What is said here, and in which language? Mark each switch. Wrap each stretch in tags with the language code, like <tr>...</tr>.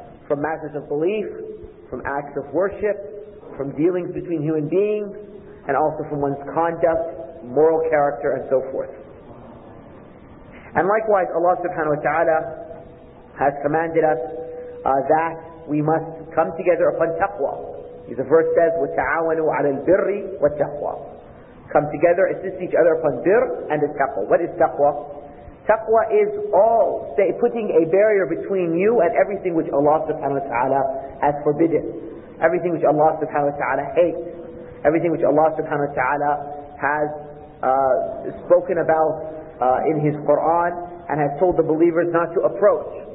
<en>From matters of belief, from acts of worship, from dealings between human beings, and also from one's conduct, moral character, and so forth. And likewise, Allah subhanahu wa ta'ala has commanded us that we must come together upon taqwa.</en> <ar>The verse says, وَتَعَاوَنُوا عَلَى الْبِرِّ وَالتَّقْوَى.</ar> <en>Come together, assist each other upon birr and the taqwa. What is taqwa? Taqwa is all, say, putting a barrier between you and everything which Allah subhanahu wa ta'ala has forbidden. Everything which Allah subhanahu wa ta'ala hates. Everything which Allah subhanahu wa ta'ala has spoken about in His Quran and has told the believers not to approach.</en>